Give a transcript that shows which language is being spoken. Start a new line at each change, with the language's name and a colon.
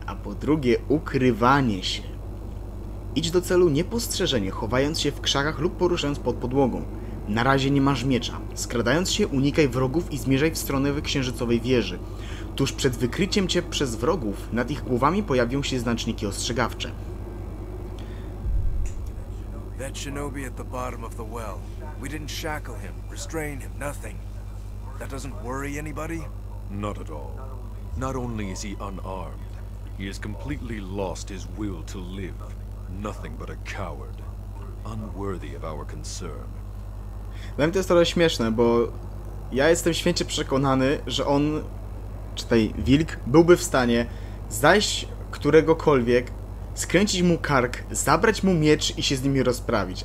Polish: A po drugie, ukrywanie się. Idź do celu niepostrzeżenie, chowając się w krzakach lub poruszając pod podłogą. Na razie nie masz miecza. Skradając się, unikaj wrogów i zmierzaj w stronę księżycowej wieży. Tuż przed wykryciem cię przez wrogów, nad ich głowami pojawią się znaczniki ostrzegawcze.
English: That Shinobi at the bottom of the well. We didn't shackle him, restrain him, nothing. That doesn't worry anybody? Not at all. Not only is he unarmed, he has completely lost his will to live. Nothing but a coward, unworthy of our concern.
Polish: Dla mnie to jest trochę śmieszne, bo ja jestem święcie przekonany, że on, czy tej wilk, byłby w stanie zajść któregokolwiek, skręcić mu kark, zabrać mu miecz i się z nimi rozprawić.